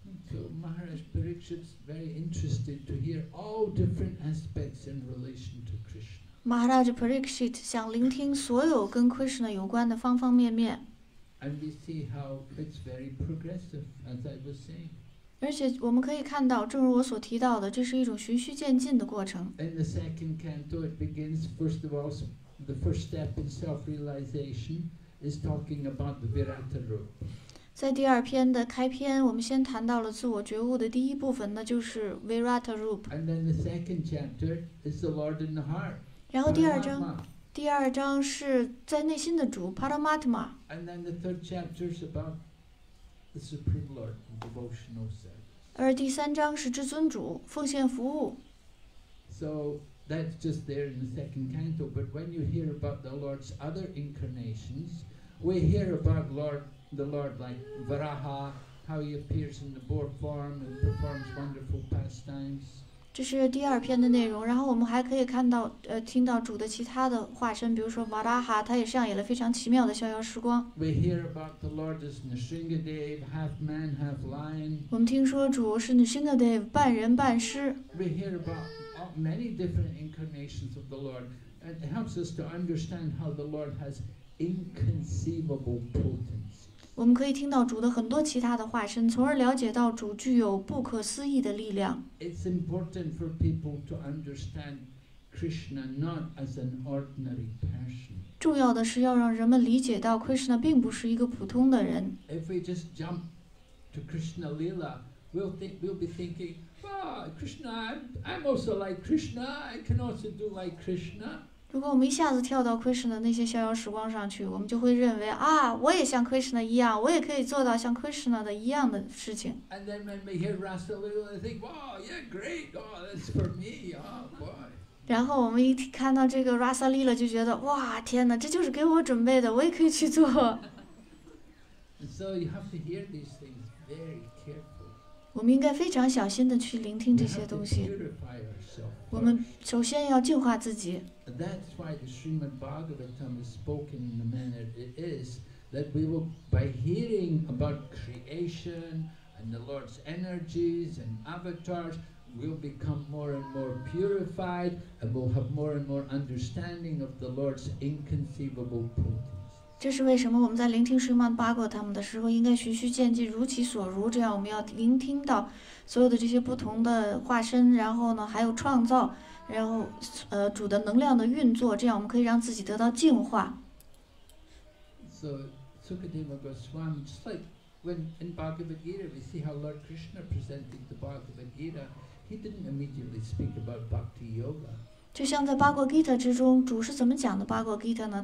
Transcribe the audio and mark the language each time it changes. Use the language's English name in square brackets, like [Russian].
[English] So Maharaj Parikshit is very interested to hear all different aspects in relation to Krishna. [Chinese] Maharaj Parikshit 想聆听所有跟 Krishna 有关的方方面面。 [English] And we see how it's very progressive, as I was saying. [Chinese] 而且我们可以看到，正如我所提到的，这是一种循序渐进的过程。 [English] In the second canto, it begins first of all, the first step in self-realization is talking about the Virata Rupa. [Chinese] 在第二篇的开篇，我们先谈到了自我觉悟的第一部分，那就是 Virata Rupa。 [English] And then the second chapter is the Lord in the heart. [Chinese] 然后第二章是在内心的主 Paramatma。 [English] And then the third chapter is about the Supreme Lord and devotional service. [Chinese] 而第三章是至尊主奉献服务。 [English] So that's just there in the second canto, but when you hear about the Lord's other incarnations, we hear about the Lord, like Varaha, how he appears in the boar form and performs wonderful pastimes. [Chinese] 这是第二篇的内容，然后我们还可以看到，听到主的其他的化身，比如说 Varaha, 他也上演了非常奇妙的逍遥时光。 [English] We hear about the Lord as Nrisingadev, half man, half lion. [Chinese] 我们听说主是 Nrisingadev, 半人半狮。 [English] We hear about many different incarnations of the Lord, and it helps us to understand how the Lord has inconceivable potency. [Chinese] 我们可以听到主的很多其他的化身，从而了解到主具有不可思议的力量。 [English] It's important for people to understand Krishna not as an ordinary person. [Chinese] 重要的是要让人们理解到 Krishna 并不是一个普通的人。 [English] If we just jump to Krishna Lila, we'll be thinking, oh, Krishna, I'm also like Krishna, I can also do like Krishna. [Chinese] 如果我们一下子跳到 Krishna 的那些逍遥时光上去，我们就会认为啊，我也像 Krishna 一样，我也可以做到像 Krishna 的一样的事情。 [English] And then when we hear Rasa Lila, we think, "Wow, yeah, great, oh, that's for me, oh boy." [Chinese] 然后我们一看到这个 Rasa Lila 就觉得，哇，天哪，这就是给我准备的，我也可以去做。 [English] So you have to hear these things very carefully. [Chinese] 我们应该非常小心的去聆听这些东西。我们首先要净化自己。 [English] That's why the Srimad Bhagavatam is spoken in the manner it is, that we will, by hearing about creation and the Lord's energies and avatars, we'll become more and more purified and we'll have more and more understanding of the Lord's inconceivable potency. [Chinese] 这是为什么我们在聆听 Srimad Bhagavatam 的时候应该循序渐进如其所如，这样我们要聆听到所有的这些不同的化身，然后呢还有创造，然后主的能量的运作，这样我们可以让自己得到净化。 [English] So Sukadeva Goswami, just like when in Bhagavad Gita we see how Lord Krishna presented the Bhagavad Gita, he didn't immediately speak about Bhakti Yoga. [Chinese] 就像在巴格吉塔之中，主是怎么讲的巴格吉塔呢？